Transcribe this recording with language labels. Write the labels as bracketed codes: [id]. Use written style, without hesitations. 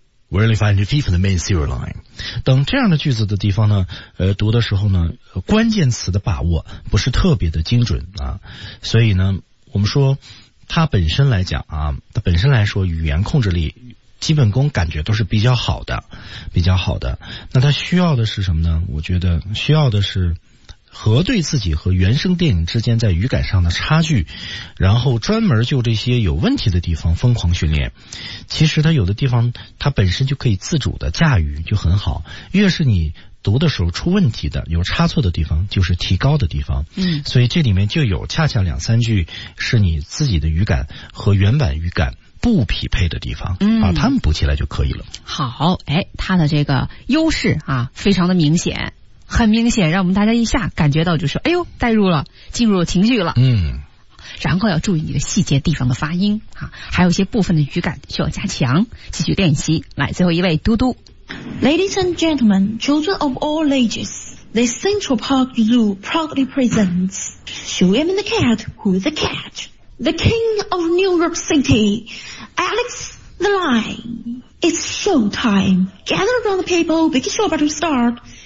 [en] We're only 500 feet from the main sewer line. [zh] 等这样的句子的地方呢，读的时候呢，关键词的把握不是特别的精准啊。所以呢，我们说它本身来讲啊，它本身来说语言控制力、基本功感觉都是比较好的，比较好的。那它需要的是什么呢？我觉得需要的是核对自己和原声电影之间在语感上的差距，然后专门就这些有问题的地方疯狂训练。其实它有的地方它本身就可以自主的驾驭，就很好。越是你读的时候出问题的、有差错的地方，就是提高的地方。嗯，所以这里面就有恰恰两三句是你自己的语感和原版语感不匹配的地方，把它们补起来就可以了。嗯、好，哎，它的这个优势啊，非常的明显。很明显，让我们大家一下感觉到就是，哎呦，带入了，进入了情绪了。嗯，然后要注意你的细节地方的发音啊，还有一些部分的语感需要加强，继续练习。来，最后一位嘟嘟。 [en] Ladies and gentlemen, children of all ages, the Central Park Zoo proudly presents Show him the cat, who's the cat? The king of New York City, Alex the Lion. It's show time. Gather around the people, big show about to start.